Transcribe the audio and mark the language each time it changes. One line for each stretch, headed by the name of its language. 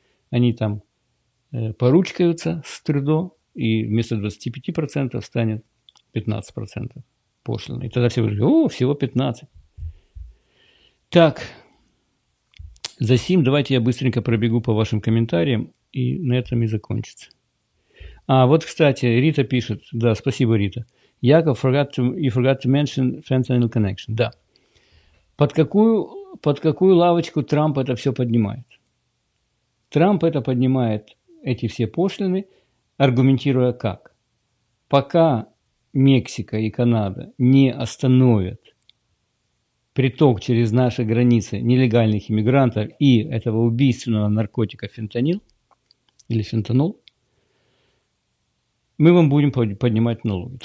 Russian: Они там поручкаются с Трюдо, и вместо 25% станет 15% пошлины. И тогда все говорят, о, всего 15%. Так, за сим давайте я быстренько пробегу по вашим комментариям, и на этом и закончится. А вот, кстати, Рита пишет. Да, спасибо, Рита.
English: Яков, you forgot to mention fentanyl connection.
Russian: Да. Под какую лавочку Трамп это все поднимает? Трамп это поднимает, эти все пошлины, аргументируя как? Пока Мексика и Канада не остановят приток через наши границы нелегальных иммигрантов и этого убийственного наркотика фентанил или фентанол, мы вам будем поднимать налоги.